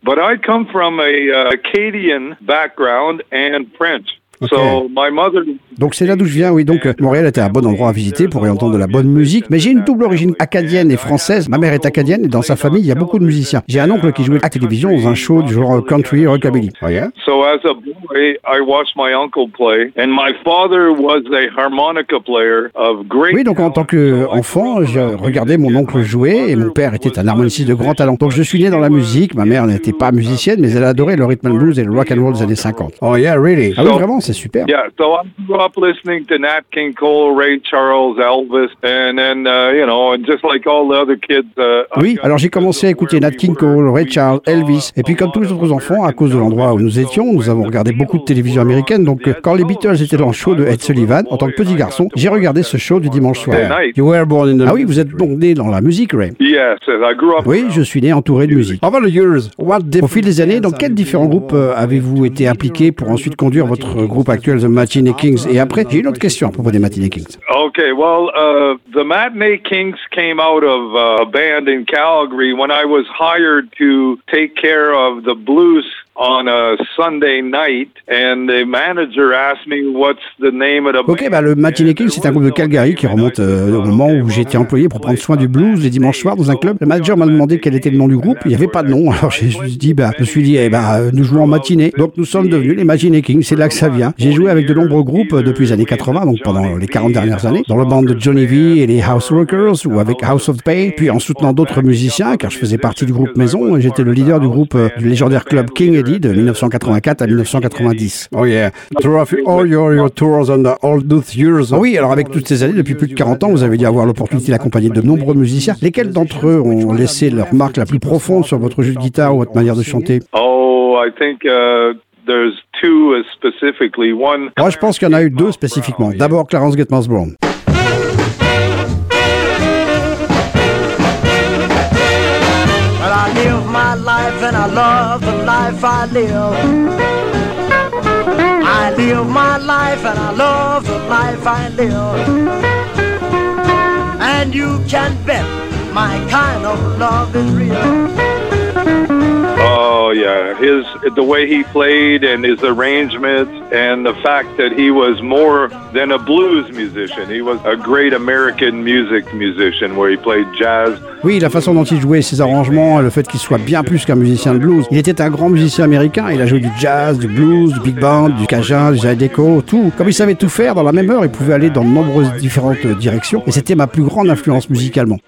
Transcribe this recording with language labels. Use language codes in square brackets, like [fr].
[en] But I come from a Acadian background and French. [fr] Okay. Donc c'est là d'où je viens, oui. Donc Montréal était un bon endroit à visiter pour y entendre de la bonne musique. Mais j'ai une double origine acadienne et française. Ma mère est acadienne et dans sa famille, il y a beaucoup de musiciens. J'ai un oncle qui jouait à la télévision dans un show du genre country rockabilly. [en] Oh, yeah. So as a boy, I watched my uncle play. And my father was a harmonica player of great. [fr] Oui, donc en tant qu'enfant, je regardais mon oncle jouer et mon père était un harmoniciste de grand talent. Donc je suis né dans la musique. Ma mère n'était pas musicienne, mais elle adorait le rhythm and blues et le rock and roll des années 50. [en] Oh, yeah, really? [fr] Ah, oui, vraiment? C'est super. [en] Yeah, so I grew up listening to Nat King Cole, Ray Charles, Elvis, and then you know, and just like all the other kids. [fr] Oui, alors j'ai commencé à écouter Nat King Cole, Ray Charles, Elvis, et puis comme tous les autres enfants, à cause de l'endroit où nous étions, nous avons regardé beaucoup de télévision américaine. Donc quand les Beatles étaient dans le show de Ed Sullivan, en tant que petit garçon, j'ai regardé ce show du dimanche soir. [en] You were born in the... [fr] Ah oui, vous êtes donc né dans la musique, Ray. [en] Yes, I grew up. [fr] Oui, je suis né entouré de musique. [en] Over the years, [fr] au fil des années, dans quels différents groupes avez-vous été impliqué pour ensuite conduire votre groupe actuel The Matinee Kings? Et après, j'ai une autre question à propos des Matinee Kings. [en] Ok, well, The Matinee Kings came out of a band in Calgary when I was hired to take care of the blues on a Sunday night, and the manager asked me what's the name of the [fr] band. Ok, bah, le Matinee Kings, c'est un groupe de Calgary qui remonte au moment où j'étais employé pour prendre soin du blues les dimanches soirs dans un club. Le manager m'a demandé quel était le nom du groupe, il n'y avait pas de nom, alors j'ai juste dit, nous jouons en matinée. Donc nous sommes devenus les Matinee Kings, c'est là que ça vient. J'ai joué avec de nombreux groupes depuis les années 80, donc pendant les 40 dernières années, dans le band de Johnny V et les House Rockers, ou avec House of Pain, puis en soutenant d'autres musiciens, car je faisais partie du groupe Maison, et j'étais le leader du groupe du légendaire club King Eddie de 1984 à 1990. [en] Oh yeah, all your tours and all those years. [fr] Oh oui, alors avec toutes ces années, depuis plus de 40 ans, vous avez dû avoir l'opportunité d'accompagner de nombreux musiciens. Lesquels d'entre eux ont laissé leur marque la plus profonde sur votre jeu de guitare ou votre manière de chanter? [en] There's two specifically. One. [fr] Moi, je pense qu'il y en a eu deux spécifiquement. D'abord, Clarence Gatmans Brown. [en] Well, I live my life and I love the life I live. I live my life and I love the life I live. And you can bet my kind of love is real. Oh yeah, the way he played and his arrangements and the fact that he was more than a blues musician. He was a great American music musician where he played jazz. [fr] Oui, la façon dont il jouait, ses arrangements, le fait qu'il soit bien plus qu'un musicien de blues. Il était un grand musicien américain. Il a joué du jazz, du blues, du big band, du cajun, du jazz déco, tout. Comme il savait tout faire, dans la même heure, il pouvait aller dans de nombreuses différentes directions. Et c'était ma plus grande influence musicalement.